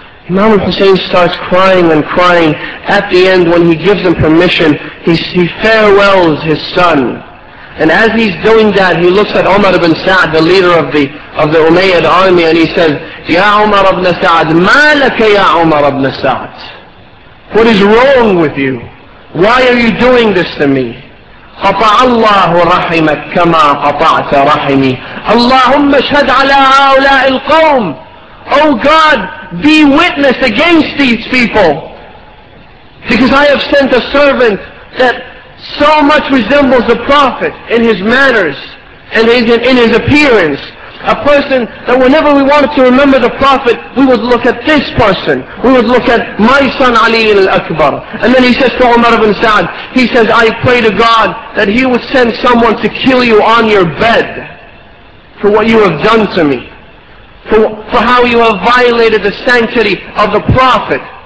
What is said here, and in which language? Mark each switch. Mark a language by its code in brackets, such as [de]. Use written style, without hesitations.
[en] Imam al-Hussein starts crying and crying. At the end, when he gives him permission, he farewells his son. And as he's doing that, he looks at Umar ibn Sa'd, the leader of the Umayyad army, and he says, Ya Umar ibn Sa'd, [ar] ma laka [en] ya Umar ibn Sa'd? What is wrong with you? Why are you doing this to me? [ar] قَطَعَ اللَّهُ رَحِمَكْ كَمَا قَطَعْتَ رَحِمِي اللَّهُمَّ اشْهَدْ عَلَىٰ هَؤُلَاءِ الْقَوْمِ [en] Oh God, be witness against these people. Because I have sent a servant that so much resembles the Prophet in his manners and in his appearance. A person that whenever we wanted to remember the Prophet, we would look at this person. We would look at my son Ali al-Akbar. And then he says to Umar ibn Sa'd, he says, I pray to God that he would send someone to kill you on your bed for what you have done to me, for how you have violated the sanctity of the Prophet.